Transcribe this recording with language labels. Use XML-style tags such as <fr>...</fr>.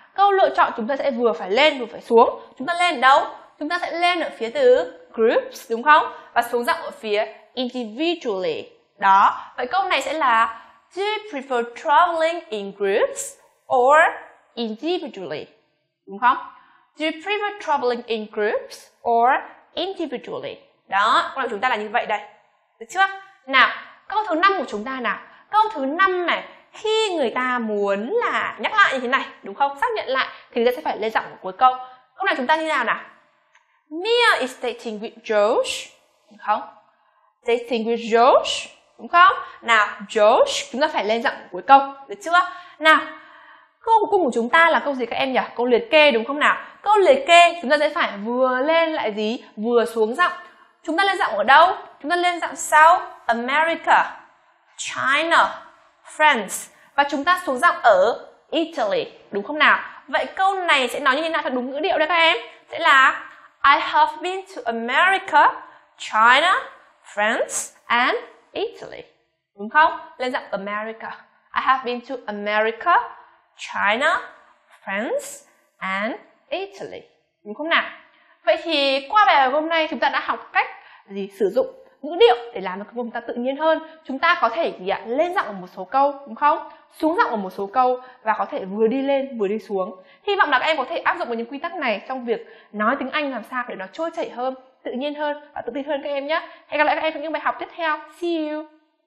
<vi>Câu lựa chọn chúng ta sẽ vừa phải lên vừa phải xuống. Chúng ta lên ở đâu? Chúng ta sẽ lên ở phía từ groups đúng không? Và xuống giọng ở phía individually. Đó. Vậy câu này sẽ là</vi> <en>Do you prefer traveling in groups or individually?</en> <vi>Đúng không?</vi> <en>Do you prefer traveling in groups or individually?</en> <vi>Đó, câu của chúng ta là như vậy đây. Được chưa? Nào, câu thứ 5 của chúng ta nào. Câu thứ 5 này, khi người ta muốn là nhắc lại như thế này, đúng không? Xác nhận lại, thì người ta sẽ phải lên giọng cuối câu. Câu này chúng ta như nào nào?</vi> <en>Mia is dating with Josh.</en> <vi>Đúng không?</vi> <en>Dating with Josh. Đúng không?</en> <vi>Nào, Josh, chúng ta phải lên giọng cuối câu. Được chưa? Nào, câu cuối cùng của chúng ta là câu gì các em nhỉ? Câu liệt kê đúng không nào? Câu liệt kê chúng ta sẽ phải vừa lên lại gì? Vừa xuống giọng. Chúng ta lên giọng ở đâu? Chúng ta lên giọng sau America, China, France. Và chúng ta xuống giọng ở Italy. Đúng không nào? Vậy câu này sẽ nói như thế nào cho đúng ngữ điệu đây các em? Sẽ là</vi> <en>I have been to America, China, France and Italy.</en> <vi>Đúng không? Lên giọng America.</vi> <en>I have been to America, China, France and Italy.</en> <vi>Đúng không nào? Vậy thì qua bài học hôm nay chúng ta đã học cách gì sử dụng ngữ điệu để làm cho chúng ta tự nhiên hơn. Chúng ta có thể gì ạ? Lên giọng ở một số câu, đúng không? Xuống giọng ở một số câu và có thể vừa đi lên vừa đi xuống. Hy vọng là các em có thể áp dụng những quy tắc này trong việc nói tiếng Anh làm sao để nó trôi chảy hơn, tự nhiên hơn và tự tin hơn các em nhé. Hẹn gặp lại các em trong những bài học tiếp theo.</vi> <en>See you!</en>